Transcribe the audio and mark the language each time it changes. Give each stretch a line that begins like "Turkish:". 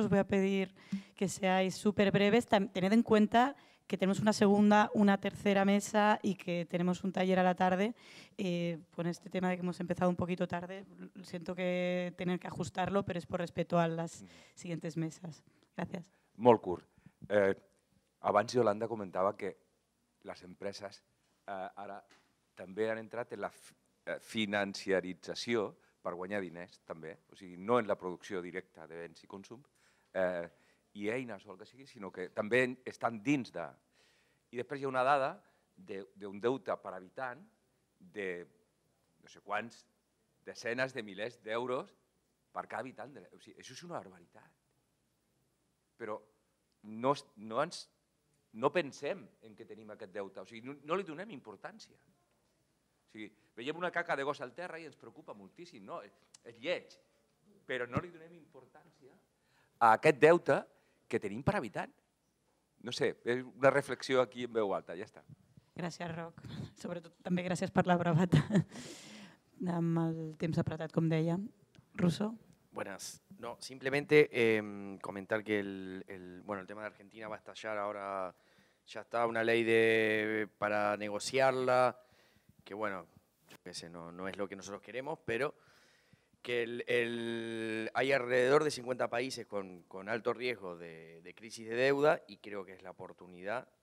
Spanish: Os voy a pedir que seáis súper breves. Tened en cuenta que tenemos una segunda, una tercera mesa y que tenemos un taller a la tarde. Con este tema de que hemos empezado un poquito tarde, siento que tener que ajustarlo, pero es por respeto a las siguientes mesas. Gracias.
Catalan: Molt curt. Abans Yolanda comentava que les empreses ara també han entrat en la financiarització per guanyar diners, també, o sigui, no en la producció directa de béns i consum i eines o el que sigui, sinó que també estan dins de... I després hi ha una dada d'un deute per habitant de no sé quants desenes de milers d'euros per cada habitant. O sigui, això és una barbaritat. Però no pensem en què tenim aquest deute, o sigui, no li donem importància. O sigui, veiem una caca de gos al terra i ens preocupa moltíssim, no? És lleig, però no li donem importància a aquest deute que tenim per habitant. No sé, és una reflexió aquí en veu alta, ja està. Gràcies, Roc. Sobretot també gràcies per la bravata. Amb el temps apretat, com deia. Russo?
Spanish: Buenas. No, simplemente comentar que el tema de Argentina va a estallar ahora, ya está una ley para negociarla, que bueno, ese no es lo que nosotros queremos, pero que hay alrededor de 50 países con alto riesgo de crisis de deuda y creo que es la oportunidad.